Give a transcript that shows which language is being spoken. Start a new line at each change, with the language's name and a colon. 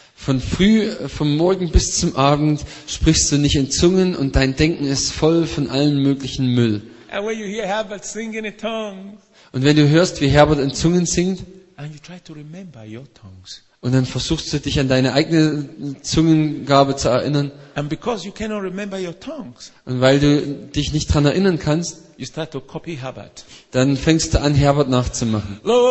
German: Von früh, vom Morgen bis zum Abend sprichst du nicht in Zungen und dein Denken ist voll von allen möglichen Müll.
English: And when you hear Herbert singing in tongues,
German: und wenn du hörst, wie Herbert in Zungen singt,
English: and you try to remember your tongues,
German: und dann versuchst du dich an deine eigene Zungengabe zu erinnern,
English: and because you cannot remember your tongues,
German: und weil du dich nicht daran erinnern kannst,
English: you start to copy Herbert.
German: Dann fängst du an, Herbert nachzumachen.